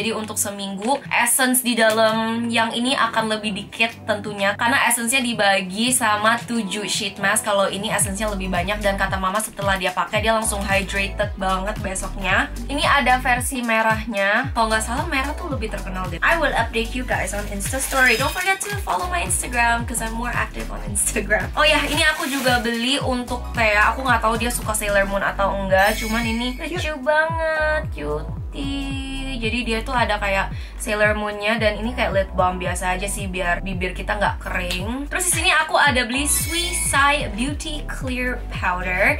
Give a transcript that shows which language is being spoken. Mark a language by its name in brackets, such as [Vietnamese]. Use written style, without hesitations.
[Indonesian] Jadi untuk seminggu, essence di dalam yang ini akan lebih dikit tentunya, karena essence-nya dibagi sama 7 sheet mask. Kalau ini essence-nya lebih banyak, dan kata mama setelah dia pakai, dia langsung hydrated banget besoknya. Ini ada versi merahnya, kalau nggak salah merah tuh lebih terkenal deh. [English] I will update you guys on Instastory. Don't forget to follow my Instagram, cause I'm more active on Instagram. [Indonesian] Oh ya, yeah, ini aku juga beli untuk Thea. Aku gak tahu dia suka Sailor Moon atau enggak. Cuman ini cute banget, cutie. jadi dia tuh ada kayak Sailor Moon-nya dan ini kayak lip balm biasa aja sih biar bibir kita nggak kering. Terus di sini aku ada beli Suisai Beauty Clear Powder.